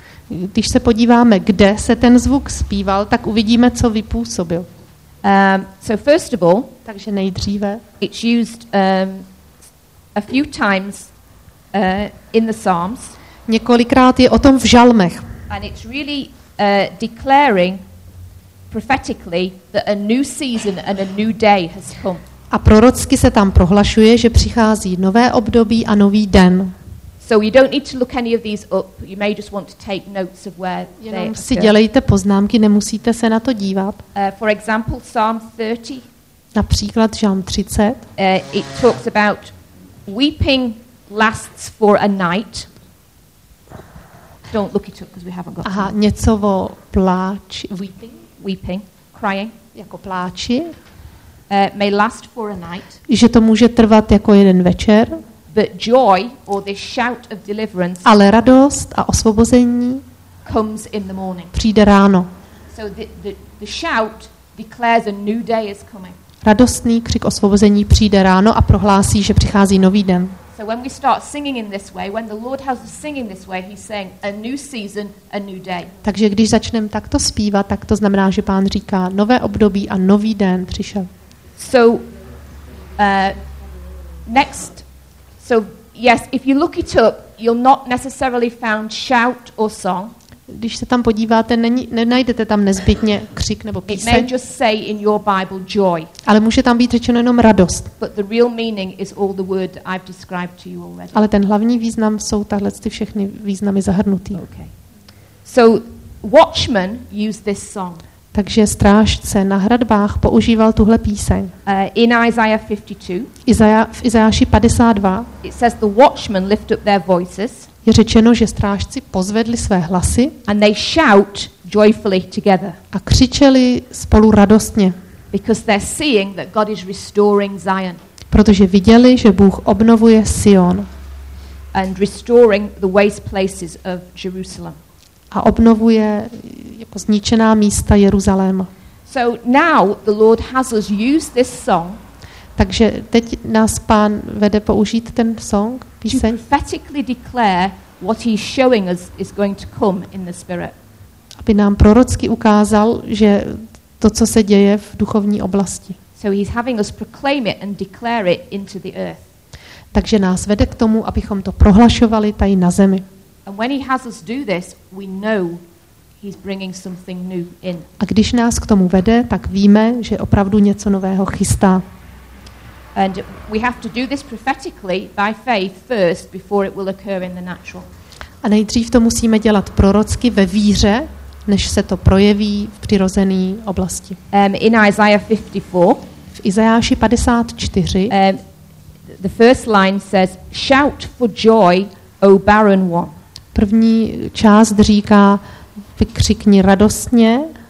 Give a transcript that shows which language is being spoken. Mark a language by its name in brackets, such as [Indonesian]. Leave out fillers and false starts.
[Czech] Když se podíváme, kde se ten zvuk zpíval, tak uvidíme, co vypůsobil. [English] So first of all, [Czech] takže nejdříve, [English] it's used a few times in the Psalms. [Czech] Několikrát je o tom v žalmech. [English] And it's really declaring prophetically that a new season and a new day has come. [Czech] A prorocky se tam prohlašuje, že přichází nové období a nový den. [English] So you don't need to look any of these up. You may just want to take notes of where they are. [Czech] Jenom si dělejte poznámky, nemusíte se na to dívat. [English] For example, Psalm 30. [Czech] Například Žalm 30. [English] It talks about weeping lasts for a night. Don't look it up because we haven't got. [Czech] Aha, něco o pláči. [English] Weeping, crying, [Czech] jako pláči. [English] May last for a night. [Czech] Že to může trvat jako jeden večer. [English] But joy or the shout of deliverance. [Czech] Ale radost a osvobození [English] comes in the morning. [Czech] Přijde ráno. [English] So the shout declares a new day is coming. [Czech] Radostný křik osvobození přijde ráno a prohlásí, že přichází nový den. [English] So when we start singing in this way, when the Lord has us singing this way, he's saying a new season, a new day. [Czech] Takže když začneme takto zpívat, tak to znamená, že Pán říká nové období a nový den přišel. [English] So next. So yes, if you look it up, you'll not necessarily find shout or song. [Czech] Když se tam podíváte, nenajdete tam nezbytně křik nebo píseň. [English] It may just say in your Bible joy. [Czech] Ale může tam být řečeno jenom radost. [English] But the real meaning is all the word that I've described to you already. [Czech] Ale ten hlavní význam jsou tahle ty všechny významy zahrnutý. [English] Okay. So watchmen use this song. [Czech] Takže strážce na hradbách používal tuhle píseň. [English] In Isaiah 52. [Czech] V Izajáši 52. [English] It says the watchmen lift up their voices. [Czech] Je řečeno, že strážci pozvedli své hlasy. [English] And they shout joyfully together. [Czech] A křičeli spolu radostně. [English] Because they're seeing that God is restoring Zion. [Czech] Protože viděli, že Bůh obnovuje Sion. [English] And restoring the waste places of Jerusalem. [Czech] A obnovuje jako zničená místa Jeruzaléma. [English] So now the Lord has us use this song. [Czech] Takže teď nás Pán vede použít ten song, píseň. [English] To prophetically declare what he's showing us is going to come in the spirit. [Czech] Aby nám prorocky ukázal, že to, co se děje v duchovní oblasti. [English] So he's having us proclaim it and declare it into the earth. [Czech] Takže nás vede k tomu, abychom to prohlašovali tady na zemi. [English] And when he has us do this, we know he's bringing something new in. [Czech] A když nás k tomu vede, tak víme, že opravdu něco nového chystá. [English] And we have to do this prophetically by faith first before it will occur in the natural. [Czech] A nejdřív to musíme dělat prorocky ve víře, než se to projeví v přirozené oblasti. [English] In Isaiah 54, [Czech] v Izajáši 54, [English] the first line says shout for joy, O barren one. [Czech] První část říká vykřikni radostně.